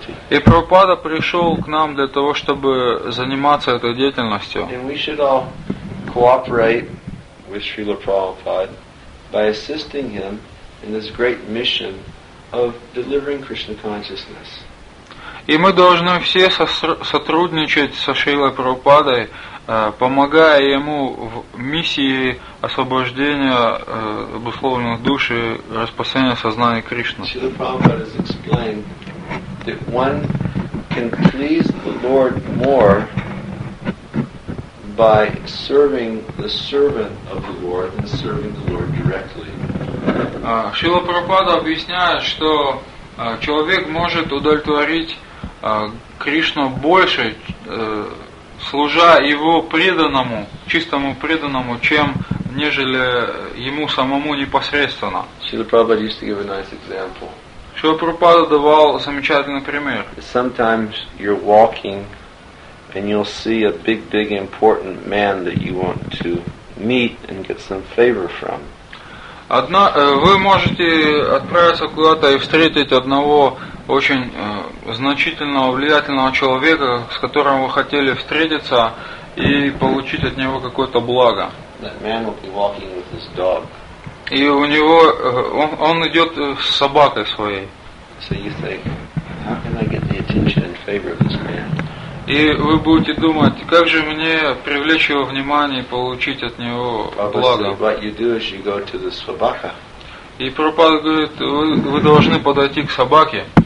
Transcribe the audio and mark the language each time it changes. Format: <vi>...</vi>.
<ru>И Прабхупада пришел к нам для того, чтобы заниматься этой деятельностью.</ru> <en>And we should all cooperate with Srila Prabhupada by assisting him in this great mission of delivering Krishna consciousness.</en> <ru>И мы должны все сотрудничать со Шрилой Прабхупадой, помогая ему в миссии освобождения обусловленных душ и распространения сознания Кришны.</ru> <en>Шрила Прабхупада has explained that one can please the Lord more by serving the servant of the Lord than serving the Lord directly.</en> <ru>Шрила Прабхупада объясняет, что человек может удовлетворить Кришну больше, служа его преданному, чистому преданному, чем нежели ему самому непосредственно.</ru> <en>Шрила Прабхупада used to give a nice example.</en> <ru>Шрила Прабхупада давал замечательный пример.</ru> <en>Sometimes you're walking and you'll see a big important man that you want to meet and get some favor from.</en> <ru>Вы можете отправиться куда-то и встретить одного очень значительного, влиятельного человека, с которым вы хотели встретиться и получить от него какое-то благо.</ru> <en>That man will be walking with his dog.</en> <ru>И у него он идет с собакой своей.</ru> <en>So you think, how can I get the attention and favor of this man?</en> <ru>И вы будете думать, как же мне привлечь его внимание и получить от него благо.</ru> <en>What you do is you go to the собака.</en> <ru>И Прабхупада говорит, вы должны подойти к собаке.</ru>